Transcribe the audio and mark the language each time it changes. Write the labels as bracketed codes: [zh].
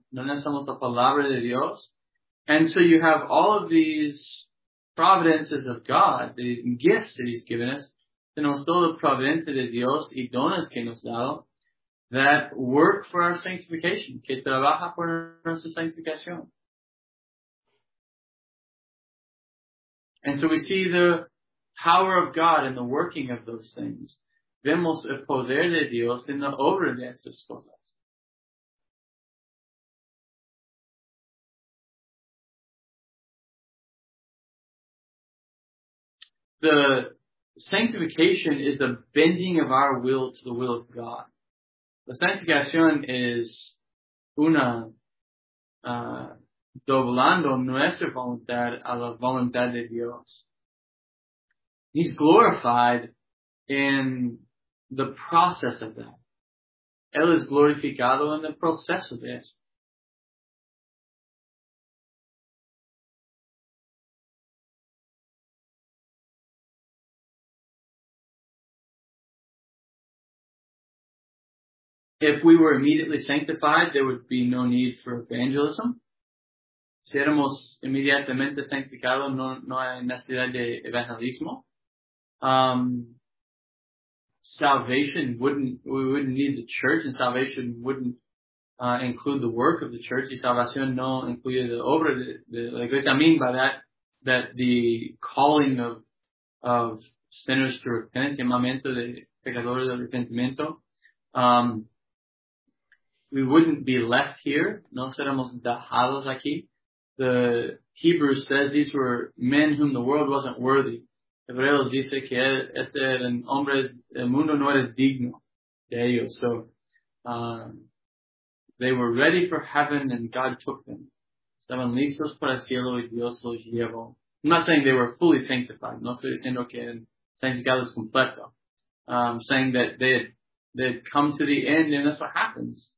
[es] No necesitamos la palabra de Dios. [en] And so you have all of these providences of God, these gifts that he's given us, [es] tenemos todo el providencia de Dios y dones que nos ha dado [en] that work for our sanctification, [es] que trabaja por nuestra sanctificación. [en] And so we see the power of God in the working of those things. [es] Vemos el poder de Dios en la obra de esas cosas. [en] The sanctification is the bending of our will to the will of God. [es] La santificación es una doblando nuestra voluntad a la voluntad de Dios. [en] He's glorified in the process of that. [es] Él es glorificado en el proceso de eso. [en] If we were immediately sanctified, there would be no need for evangelism. [es] Si éramos inmediatamente sanctificados, no hay necesidad de evangelismo. [en] We wouldn't need the church, and salvation wouldn't include the work of the church. [es] Y salvación no incluye la obra de la iglesia. [en] I mean by that the calling of sinners to repentance, [es] llamamiento de pecadores de arrepentimiento, [en] we wouldn't be left here. [es] No seremos dejados aquí. [en] The Hebrews says these were men whom the world wasn't worthy. [es] Hebreos dice que este eran hombres, el mundo no era digno de ellos. [en] So, they were ready for heaven and God took them. [es] Estaban listos para el cielo y Dios los llevó. [en] I'm not saying they were fully sanctified. [es] No estoy diciendo que eran santificados completo. [en] I'm saying that they come to the end, and that's what happens.